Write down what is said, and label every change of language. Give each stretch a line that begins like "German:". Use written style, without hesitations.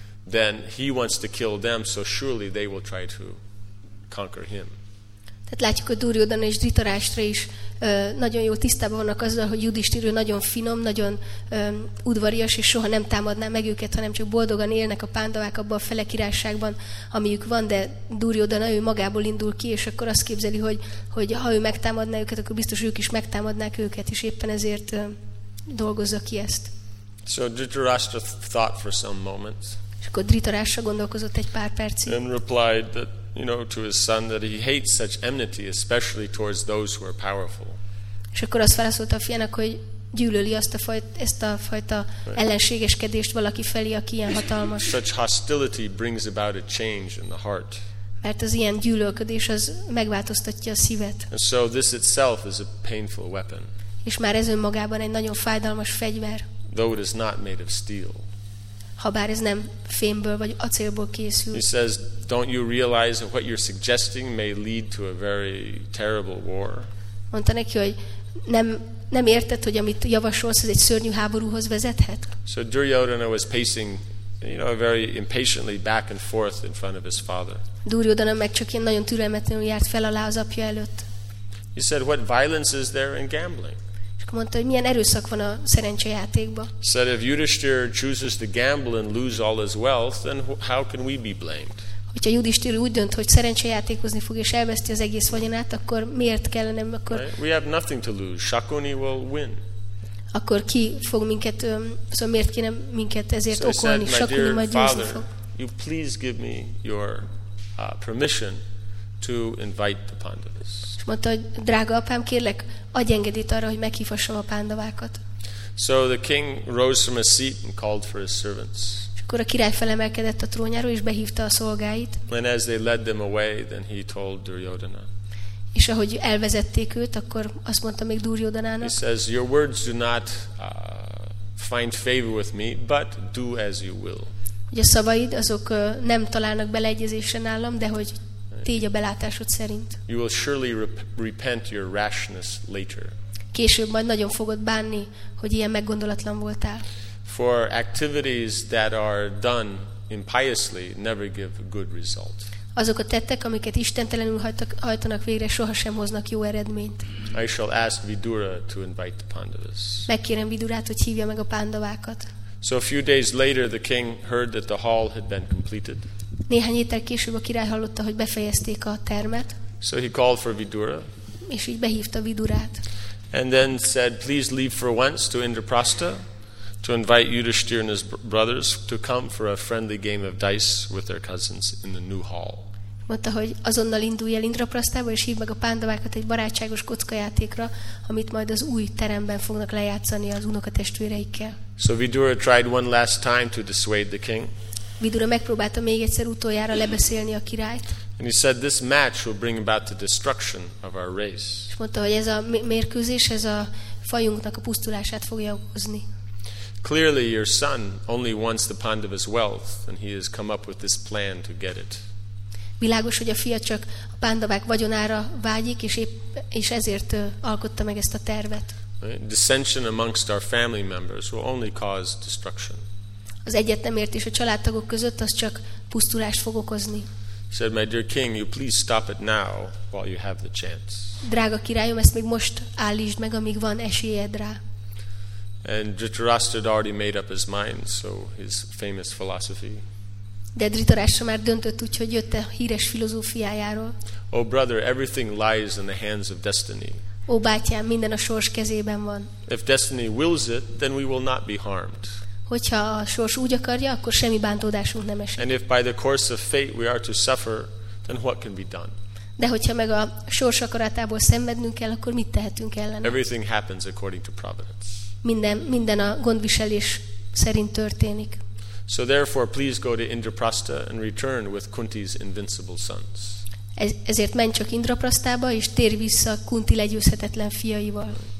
English: then he wants to kill them, so surely they will try to conquer him.
Hungarian: Tehát látjuk, hogy Duryodhana és Dhritarashtra is nagyon jó tisztában vannak azzal, hogy Yudhishthir nagyon finom, nagyon udvarias, és soha nem támadná meg őket, hanem csak boldogan élnek a Pándavák abban a felekirásságban, amiük van, de Duryodhana ő magából indul ki, és akkor azt képzeli, hogy ha ő megtámadná őket, akkor biztos ők is megtámadnák őket, és éppen ezért dolgozza ki ezt.
English: So Dhritarashtra thought for some moments.
Hungarian: És akkor Dhritarashtra gondolkozott egy pár percig.
English: And replied that, you know, to his son that he hates such enmity, especially towards those who are powerful.
Hungarian: És akkor azt válaszolta a fiának, hogy gyűlöli ezt a fajta ellenségeskedést valaki felé, aki ilyen hatalmas.
English: Such hostility brings about a change in the heart.
Hungarian: Mert az ilyen gyűlölködés az megváltoztatja a szívet.
English: And so this itself is a painful weapon.
Hungarian: És már ez önmagában egy nagyon fájdalmas fegyver.
English: Though it is not made of steel.
Hungarian: Habár ez nem fémből vagy acélból készül.
English: He says, "Don't you realize that what you're suggesting may lead to a very terrible war?"
Hungarian: Mondta neki, hogy nem érted, hogy amit javasolsz, ez egy szörnyű háborúhoz vezethet.
English: So Duryodhana was pacing, you know, very impatiently back and forth in front of his father.
Hungarian: Duryodhana meg csak ilyen nagyon türelmetlenül járt fel alá az apja előtt.
English: He said, "What violence is there in gambling?"
Hungarian: Mondta, hogy milyen erőszak van a szerencsejátékban.
English: Said if Yudhishthir chooses to gamble and lose all his wealth, then how can we be blamed?
Hungarian: Hogyha Yudhishthir úgy dönt, hogy szerencsejátékozni fog és elveszti az egész vagyonát, akkor miért kellene akkor?
English: Right? We have nothing to lose. Shakuni will win.
Hungarian: Akkor ki fog minket, szóval miért kéne minket ezért
English: so
Hungarian: okolni? Shakuni majd győzni fog.
English: You please give me your permission to invite the Pandavas.
Hungarian: És mondta, hogy drága apám, kérlek, adj engedélyt arra, hogy meghívhassam a Pándavákat.
English: So the king rose from his seat and called for his servants.
Hungarian: És akkor a király felemelkedett a trónjáról és behívta a szolgáit.
English: And as they led them away, then he told Duryodhana.
Hungarian: És ahogy elvezették őt, akkor azt mondta még Duryodhanának.
English: He says, "Your words do not find favor with me, but do as you will."
Hungarian: Ugye a szavaid azok nem találnak beleegyezésre nálam, de hogy tégy a belátásod szerint.
English: You will surely repent your rashness later.
Hungarian: Később majd nagyon fogod bánni, hogy ilyen meggondolatlan voltál.
English: For activities that are done impiously never give a good result.
Hungarian: Azok a tettek, amiket istentelenül hajtanak végre, sohasem hoznak jó eredményt.
English: I shall ask Vidura to invite the Pandavas.
Hungarian: Megkérem Vidurát, hogy hívja meg a Pándavákat.
English: So a few days later the king heard that the hall had been completed.
Hungarian: Néhány héttel később a király hallotta, hogy befejezték a termet.
English: So he called for Vidura.
Hungarian: És így behívta Vidurát.
English: And then said, "Please leave for once to Indraprastha to invite Yudhishthir and his brothers to come for a friendly game of dice with their cousins in the new hall."
Hungarian: Mondta, hogy azonnal indulj el Indraprasthába, és hív meg a Pándavákat egy barátságos kockajátékra, amit majd az új teremben fognak lejátszani az unokatestvéreikkel.
English: So Vidura tried one last time to dissuade the king.
Hungarian: Vidura megpróbálta még egyszer utoljára lebeszélni a királyt.
English: And he said, "This match will bring about the destruction of our race."
Hungarian: És mondta, hogy ez a mérkőzés, ez a fajunknak a pusztulását fogja okozni.
English: Clearly your son only wants the Pandavas' wealth, and he has come up with this plan to get it.
Hungarian: Világos, hogy a fia csak a Pándavák vagyonára vágyik, és ezért alkotta meg ezt a tervet.
English: Dissension amongst our family members will only cause destruction.
Hungarian: Az egyetemértés a családtagok között az csak pusztulást fog okozni.
English: Said, "My dear king, you please stop it now while you have the chance."
Hungarian: Drága királyom, ezt még most állítsd meg, amíg van esélyed rá.
English: And Dhritarashtra had already made up his mind, so his famous philosophy.
Hungarian: De Dhritarashtra már döntött úgy, hogy jött a híres filozófiájáról.
English: Oh brother, everything lies in the hands of destiny.
Hungarian: Ó bátyám, minden a sors kezében van.
English: If destiny wills it, then we will not be harmed.
Hungarian: Hogyha a sors úgy akarja, akkor semmi bántódásunk nem esik.
English: And if by the course of fate we are to suffer, then what can be done?
Hungarian: De hogyha meg a sors akaratából szenvednünk kell, akkor mit tehetünk ellene?
English: Everything happens according to providence.
Hungarian: Minden a gondviselés szerint történik.
English: So therefore please go to Indraprastha and return with Kunti's invincible sons.
Hungarian: Ezért menj csak Indraprasthába és térj vissza Kunti legyőzhetetlen fiaival.